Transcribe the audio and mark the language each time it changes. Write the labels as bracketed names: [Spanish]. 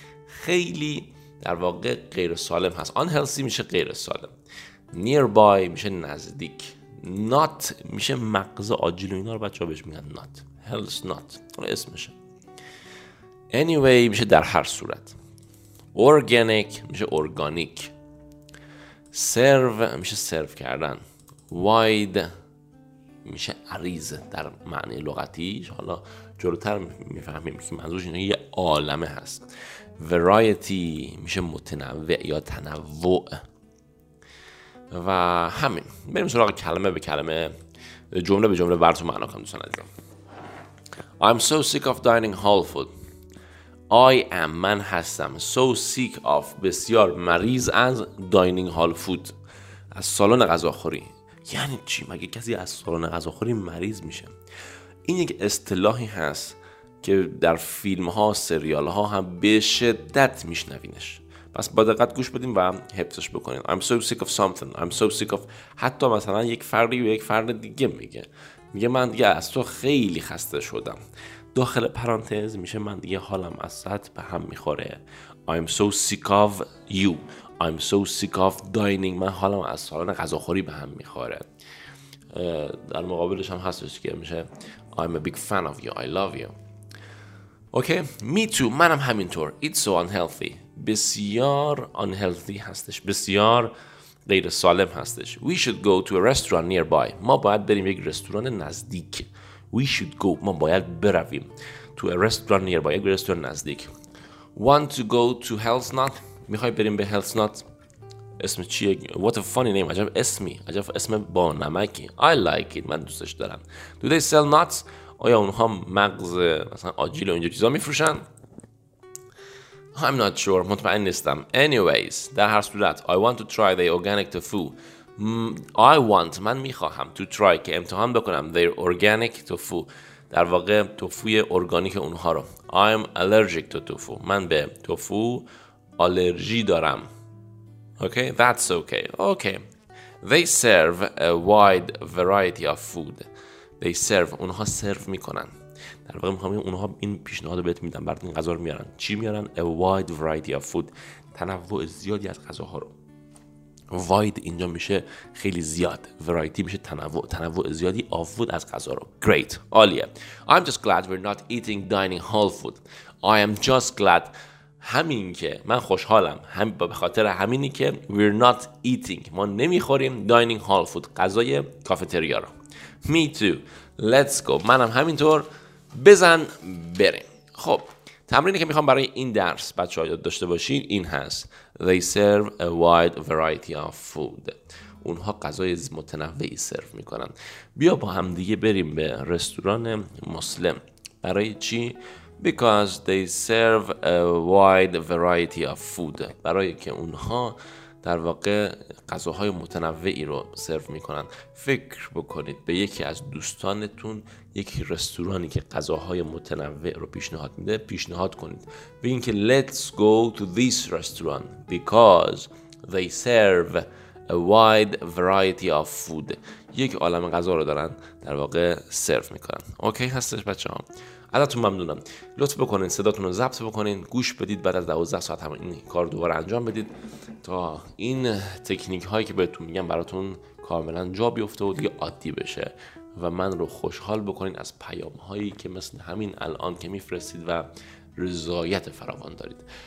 [Persian] خیلی در واقع غیر سالم هست. unhealthy میشه غیر سالم. nearby میشه نزدیک. not میشه مغز آجیل و اینا رو بچه‌ها بهش میگن not. health not. اون اسمشه. anyway میشه در هر صورت. organic میشه organic. serve میشه سرو کردن. wide میشه عریض در معنی لغتیش. حالا جلوتر میفهمیم که منظورش اینه یه عالمه هست. variety میشه متنوع یا تنوع. و همین. بریم سراغ کلمه به کلمه، جمله به جمله براتون معنا کنم دوستان عزیزم. [English] I'm so sick of dining hall food. I am [Persian] من هستم. [English] So sick of [Persian] بسیار مریض از [English] dining hall food. [Persian] از سالن غذاخوری. یعنی چی؟ مگه کسی از سالن غذاخوری مریض میشه؟ این یک اصطلاحی هست که در فیلم ها سریال ها هم به شدت میشنوینش. پس با دقت گوش بدیم و حفظش بکنیم. [English] I'm so sick of something. I'm so sick of. [Persian] حتی مثلا یک فردی و یک فرد دیگه میگه. میگه من دیگه از تو خیلی خسته شدم. داخل پرانتز میشه من دیگه حالم از سطح به هم میخوره. [English] I'm so sick of you. I'm so sick of dining. [Persian] من حالم از سالن غذاخوری به هم میخوره. در مقابلش هم هستش که میشه [English] I'm a big fan of you. I love you. [Persian] اوکی، می تو، منم همینطور. [English] It's so unhealthy. [Persian] بسیار unhealthy هستش، بسیار غیر سالم هستش. [English] We should go to a restaurant nearby. [Persian] ما باید بریم یک رستوران نزدیک. [English] We should go، [Persian] ما باید برویم. [English] To a restaurant nearby، [Persian] یک رستوران نزدیک. [English] Want to go to Health Nut؟ [Persian] میخوای بریم به Health Nut؟ اسم چیه؟ [English] What a funny name. [Persian] عجب اسمی، عجب اسم با نمکی. [English] I like it، [Persian] من دوستش دارم. [English] Do they sell nuts؟ [Persian] آیا اونها مغز مثلا آجیل و اینجور چیزا میفروشن؟ [English] I'm not sure. [Persian] مطمئن نیستم. [English] Anyways, [Persian] در هر صورت [English] I want to try their organic tofu. I want [Persian] من میخواهم [English] to try [Persian] که امتحان بکنم [English] their organic tofu. [Persian] در واقع توفوی ارگانیک اونها رو. [English] I'm allergic to tofu. [Persian] من به توفو آلرژی دارم. [English] Okay, that's okay. Okay. They serve a wide variety of food. They serve. [Persian] اونها سرو میکنن. در واقع میخوام بگم اونها این پیشنهاد رو بهت میدن. برات این غذا رو میارن. چی میارن؟ [English] A wide variety of food. [Persian] تنوع زیادی از غذاها رو. Wide اینجا میشه خیلی زیاد. Variety میشه تنوع. تنوع زیادی [English] of food [Persian] از غذا رو. [English] Great. [Persian] عالیه. [English] I'm just glad we're not eating dining hall food. I am just glad. [Persian] همین که من خوشحالم هم به خاطر همینی که [English] we're not eating [Persian] ما نمیخوریم [English] dining hall food [Persian] غذای کافتریا رو. [English] Me too. Let's go. [Persian] منم همینطور. بزن بریم. خب تمرینی که میخوام برای این درس بچه‌ها یاد داشته باشین این هست. [English] They serve a wide variety of food. [Persian] اونها غذای متنوعی سرو میکنن. بیا با هم دیگه بریم به رستوران مسلم. برای چی؟ [English] Because they serve a wide variety of food. [Persian] برای که اونها در واقع غذاهای متنوعی رو سرو میکنن. فکر بکنید به یکی از دوستانتون یکی رستورانی که غذاهای متنوع رو پیشنهاد میده پیشنهاد کنید. بگین که [English] let's go to this restaurant because they serve a wide variety of food. [Persian] یک عالم غذا رو دارن در واقع سرو میکنن. اوکی هستش بچه ها؟ ازتون ممنونم. لطف بکنین صداتون رو ضبط بکنین گوش بدید. بعد از 12 ساعت هم این کار دوباره انجام بدید تا این تکنیک هایی که بهتون میگم براتون کاملا جا بیفته و دیگه عادی بشه و من رو خوشحال بکنین از پیام هایی که مثل همین الان که میفرستید و رضایت فراوان دارید.